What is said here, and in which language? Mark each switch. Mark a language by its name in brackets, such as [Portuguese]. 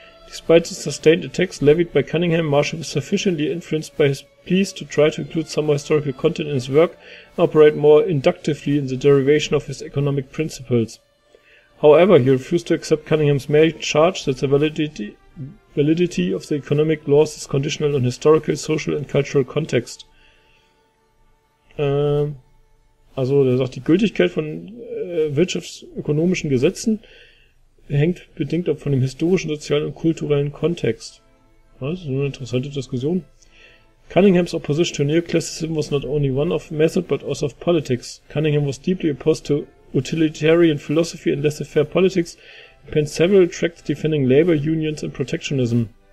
[English] Despite the sustained attacks levied by Cunningham, Marshall was sufficiently influenced by his pleas to try to include some more historical content in his work and operate more inductively in the derivation of his economic principles. However, he refused to accept Cunningham's main charge that the validity of the economic laws is conditional on historical, social and cultural context. [German] Also der sagt, die Gültigkeit von wirtschaftsökonomischen Gesetzen hängt bedingt ab von dem historischen, sozialen und kulturellen Kontext. Ja, das ist eine interessante Diskussion. [English] Cunningham's opposition to neoclassicism was not only one of method but also of politics. Cunningham was deeply opposed to utilitarian philosophy and laissez-faire politics and penned several tracts defending labor unions and protectionism.